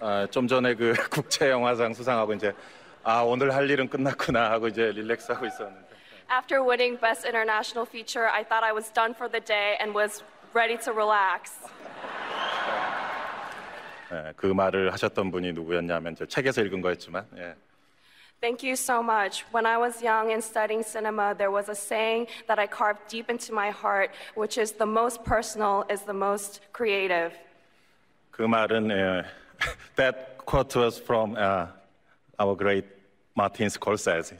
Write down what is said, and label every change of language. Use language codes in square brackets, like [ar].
[ko] 좀 전에 그 국제영화상 수상하고 이제 아 오늘 할 일은 끝났구나 하고 이제 릴렉스하고 있었는데. [en] After winning Best International Feature, I thought I was done for the day and was ready to relax. [ko] 그 말을 하셨던 분이 누구였냐면 저 책에서 읽은 거였지만 예. [en] Thank you so much. When I was young and studying cinema, there was a saying that I carved deep into my heart, which is the most personal is the most creative. [ko] 그 말은 [en] that quote was from our great Martin Scorsese.